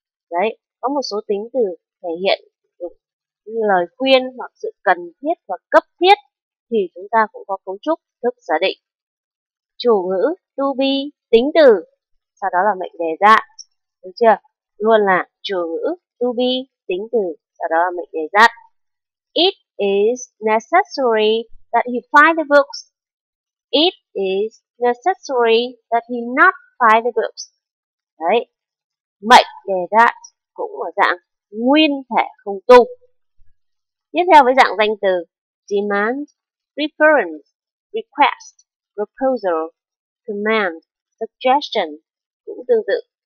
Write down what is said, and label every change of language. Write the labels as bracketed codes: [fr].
[vi] Đấy, có một số tính từ thể hiện như lời khuyên hoặc sự cần thiết hoặc cấp thiết thì chúng ta cũng có cấu trúc thức giả định. Chủ ngữ to be, tính từ, sau đó là mệnh đề that, được chưa? Luôn là chủ ngữ to be, tính từ, sau đó là mệnh đề that. [en] It is necessary that he find the books. It is necessary that he not find the books. [vi] Đấy, mệnh đề that cũng ở dạng nguyên thể không tu. Tiếp theo với dạng danh từ, demand, preference, request, proposal, command, suggestion, cũng tương tự.